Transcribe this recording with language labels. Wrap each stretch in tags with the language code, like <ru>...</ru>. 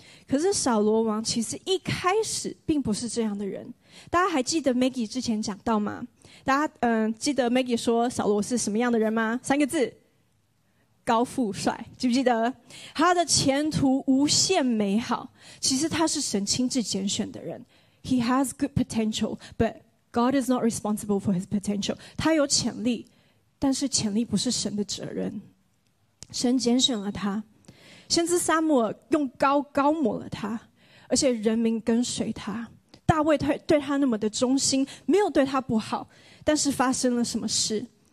<zh>可是扫罗王其实一开始并不是这样的人。大家还记得 Maggie 之前讲到吗？大家记得 Maggie 说扫罗是什么样的人吗？三个字：高富帅，记不记得？他的前途无限美好，其实他是神亲自拣选的人。</zh> <en>He has good potential, but God is not responsible for his potential.</en> <zh>他有潜力，但是潜力不是神的责任，神拣选了他，先知撒母耳用膏膏抹了他，而且人民跟随他，大卫对他那么的忠心，没有对他不好，但是发生了什么事？</zh>